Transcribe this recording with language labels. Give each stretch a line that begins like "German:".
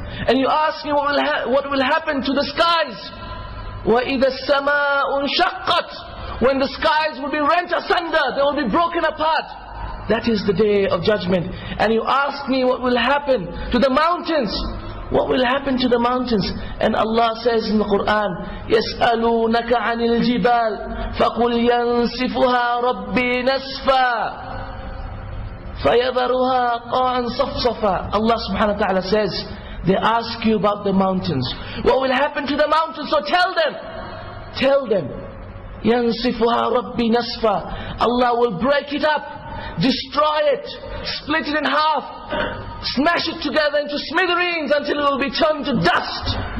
English: And you ask me what will happen to the skies.
Arabic: وَإِذَا السَّمَاءُ انشَقَّتْ.
English: When the skies will be rent asunder, they will be broken apart. That is the day of judgment. And you ask me what will happen to the mountains. What will happen to the mountains? And Allah says in the Quran,
Arabic: يَسْأَلُونَكَ عَنِ الْجِبَالِ فَقُلْ يَنْسِفُهَا رَبِّي نَسْفًا فَيَذَرُهَا قَاعًا صَفْصَفًا.
English: Allah subhanahu wa ta'ala says, they ask you about the mountains. What will happen to the mountains? So tell them.
Arabic: يَنْسِفُهَا رَبِّي نَسْفًا.
English: Allah will break it up, destroy it, split it in half, smash it together into smithereens until it will be turned to dust.